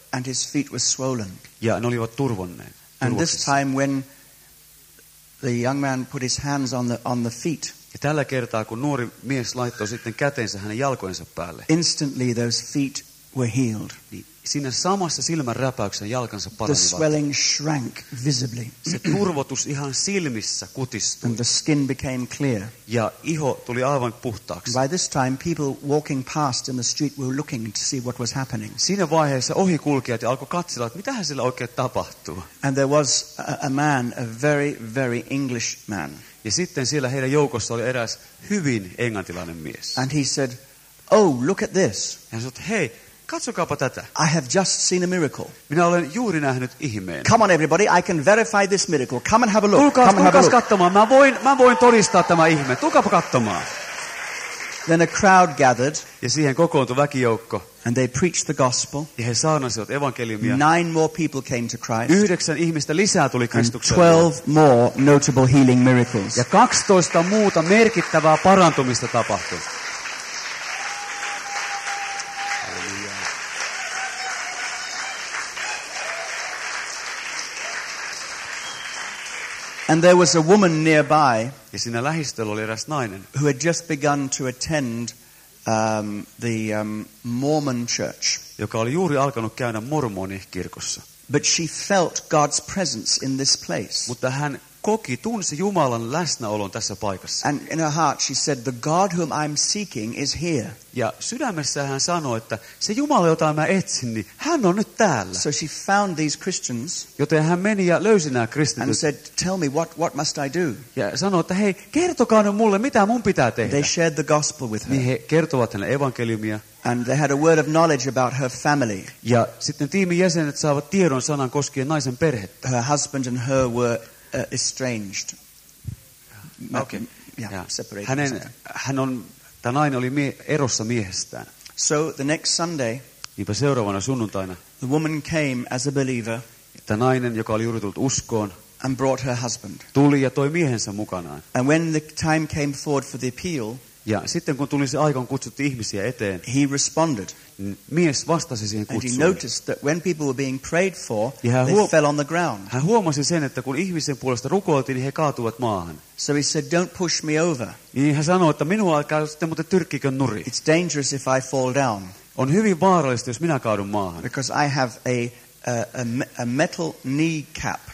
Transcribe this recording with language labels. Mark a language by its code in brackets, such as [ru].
[en] And his feet were swollen. [fi] Ja ne olivat turvonneet. [en] And this time when the young man put his hands on the feet. [fi] Ja tällä kertaa kun nuori mies laittoi sitten kätensä hänen jalkojensa päälle. [en] Instantly those feet were healed. [fi] Niin siinä samassa silmän räpäyksen jalkansa paranivat. [en] The swelling shrank visibly. [fi] Se turvotus ihan silmissä kutistui. [en] And the skin became clear. [fi] Ja iho tuli aivan puhtaaksi. [en] By this time people walking past in the street were looking to see what was happening. [fi] Siinä vaiheessa ohikulkijat alkoi katsella, että mitähän sillä oikein tapahtuu. [en] And there was a man, a very, very English man. [fi] Ja sitten siellä heidän joukossa oli eräs hyvin englantilainen mies. [en] And he said, oh, look at this. [fi] Ja hän sanoi, hei, katsokaapa tätä. [en] I have just seen a miracle. [fi] Minä olen juuri nähnyt ihmeen. [en] Come on everybody, I can verify this miracle. Come and have a look. [fi] Tulkaas, [en] come and have a look. [fi] Katsomaan. Mä voin todistaa tämä ihme. Tulkaapa katsomaan. [en] Then a crowd gathered. [fi] Ja siihen kokoontui väkijoukko. [en] And they preached the gospel. [fi] Ja he saarnasivat evankeliumia. [en] 9 more people came to Christ. [fi] 9 ihmistä lisää tuli Kristukseen. [en] 12 more notable healing miracles. [fi] Ja 12 muuta merkittävää parantumista tapahtui. [en] And there was a woman nearby, [fi] ja siinä lähistöllä oli eräs nainen, [en] who had just begun to attend the Mormon church, [fi] joka oli juuri alkanut käydä mormonikirkossa. [en] But she felt God's presence in this place. [fi] Mutta hän koki, tunsi Jumalan läsnäolon tässä paikassa. [en] And in her heart she said, the God whom I'm seeking is here. [fi] Ja sydämessään hän sanoi, että se Jumala, jota mä etsin, niin hän on nyt täällä. [en] So she found these Christians. [fi] Joten hän meni ja löysi nämä kristityt. [en] And said, tell me, what must I do? [fi] Ja sanoi, että hei, kertokaa nyt mulle, mitä mun pitää tehdä. [en] They shared the gospel with her. [fi] Niin he kertovat hänelle evankeliumia. [en] And they had a word of knowledge about her family. [fi] Ja sitten tiimin jäsenet saavat tiedon sanan koskien naisen perhettä. [en] Her husband and her were estranged. Okay. Yeah, separated. [fi] Tämä nainen oli erossa miehestään. [en] So the next Sunday, [fi] niinpä seuraavana sunnuntaina, [en] the woman came as a believer. [fi] Tämä nainen, joka oli juuri tullut uskoon, [en] and brought her husband. [fi] Tuli ja toi miehensä mukanaan. [en] And when the time came forward for the appeal, [fi] ja sitten kun tuli se aika, kun kutsutti ihmisiä eteen, [en] he responded. [fi] Mies vastasi siihen kutsuun. [en] And he noticed that when people were being prayed for, they fell on the ground. [fi] Hän huomasi sen, että kun ihmisen puolesta rukoiltiin, niin he kaatuvat maahan. [en] So he said, don't push me over. [fi] Niin hän sanoi, että minua alkaa sitten muuten tyrkkikön nuri. [en] It's dangerous if I fall down. [fi] On hyvin vaarallista, jos minä kaadun maahan. [en] Because I have a metal knee cap.